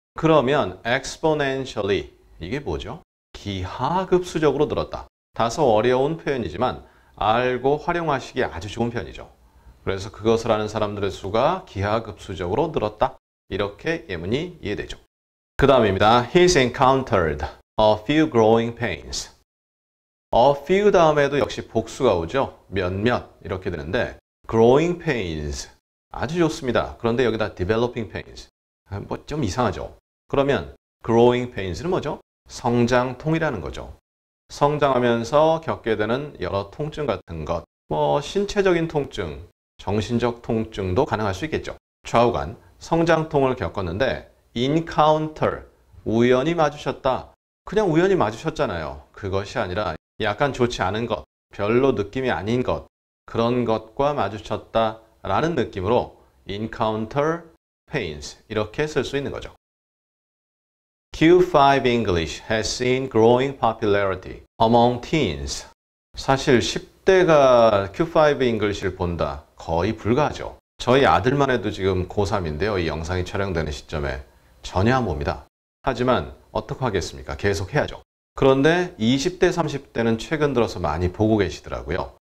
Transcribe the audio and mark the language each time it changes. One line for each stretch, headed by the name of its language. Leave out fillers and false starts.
Korean: 그러면 exponentially 이게 뭐죠? 기하급수적으로 늘었다. 다소 어려운 표현이지만 알고 활용하시기 아주 좋은 표현이죠. 그래서 그것을 하는 사람들의 수가 기하급수적으로 늘었다. 이렇게 예문이 이해되죠. 그 다음입니다.
English: He's encountered a few growing pains.
Korean: A few 다음에도 역시 복수가 오죠. 몇몇 이렇게 되는데 growing pains 아주 좋습니다. 그런데 여기다 developing pains 뭐 좀 이상하죠. 그러면 growing pains는 뭐죠? 성장통이라는 거죠. 성장하면서 겪게 되는 여러 통증 같은 것, 뭐 신체적인 통증, 정신적 통증도 가능할 수 있겠죠. 좌우간 성장통을 겪었는데 encounter 우연히 마주쳤다. 그냥 우연히 마주쳤잖아요. 그것이 아니라 약간 좋지 않은 것, 별로 느낌이 아닌 것, 그런 것과 마주쳤다 라는 느낌으로 encounter pains 이렇게 쓸 수 있는 거죠.
English: Q5 English has seen growing popularity among teens.
Korean: 사실 10대가 Q5 English를 본다 거의 불가하죠. 저희 아들만 해도 지금 고3인데요. 이 영상이 촬영되는 시점에 전혀 안 봅니다. 하지만 어떻게 하겠습니까? 계속 해야죠. 그런데 20대, 30대는 최근 들어서 많이 보고 계시더라고요.